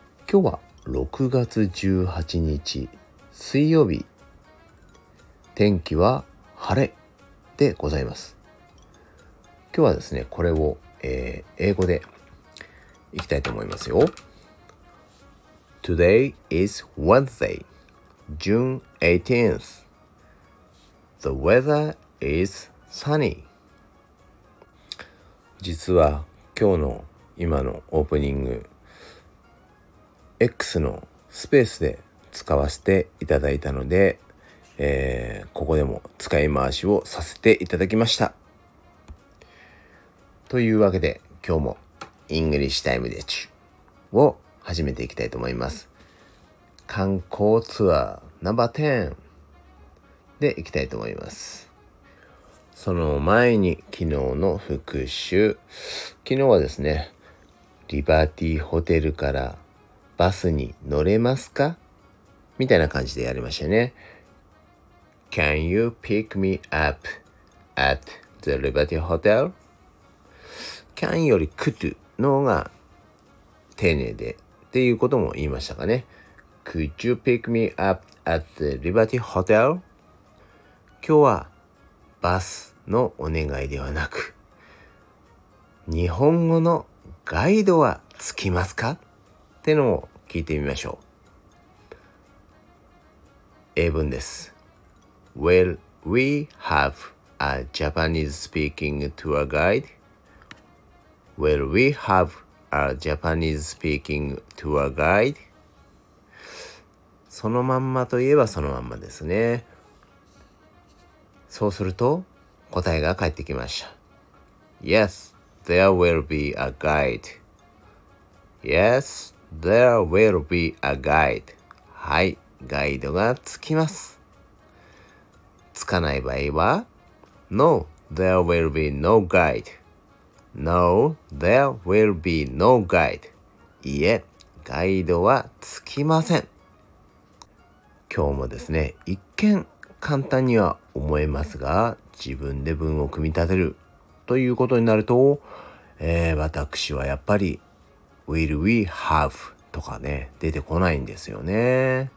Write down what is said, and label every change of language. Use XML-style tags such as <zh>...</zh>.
<ja>今日は6月18日水曜日、天気は晴れでございます。今日はですね、これを、英語でいきたいと思いますよ。</ja> <en>Today is Wednesday, June 18th. The weather is sunny.</en> <ja>実は今日の今のオープニング X のスペースで使わせていただいたので、ここでも使い回しをさせていただきました。というわけで今日もイングリッシュタイムでちゅを始めていきたいと思います。観光ツアーナンバー10でいきたいと思います。その前に昨日の復習。昨日はですね、リバーティーホテルからバスに乗れますかみたいな感じでやりましたね。</ja> <en>Can you pick me up at the Liberty Hotel?</en> <ja>Can より could の方が丁寧でっていうことも言いましたかね。</ja> <en>Could you pick me up at the Liberty Hotel?</en> <ja>今日はバスのお願いではなく、日本語のガイドはつきますかってのを聞いてみましょう。英文です。</ja> <en>Will we have a Japanese speaking tour guide? Will we have a Japanese speaking tour guide?</en> <ja>そのまんまといえばそのまんまですね。そうすると答えが返ってきました。</ja> <en>Yes, there will be a guide. Yes, there will be a guide.</en> <ja>はい、ガイドがつきます。つかない場合は、</ja> <en>No, there will be no guide. No, there will be no guide.</en> <ja>いえ、ガイドはつきません。今日もですね、一見簡単には思えますが、自分で文を組み立てるということになると、私はやっぱり</ja> <en>Will we have</en> <ja>とかね、出てこないんですよね。</ja>